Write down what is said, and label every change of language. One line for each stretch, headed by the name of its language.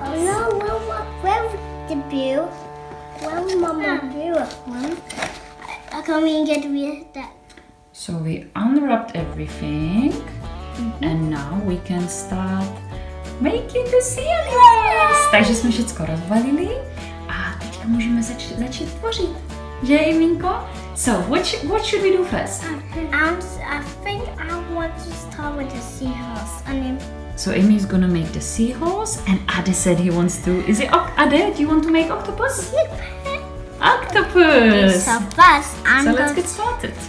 English: Oh no, where's the blue one? I can't even get rid of that. So we unwrapped everything, and now we can start making the sea animals.
Czech: Takže jsme všechno rozvalili a teďka můžeme začít tvořit. Že, Aimeeko?
English: So what should we do first? I think I want to start with the seahorse. So Aimee is gonna make the seahorse, and Ade said he wants to. Is it Ade? Do you want to make octopus? Octopus. Okay, so first, let's get started.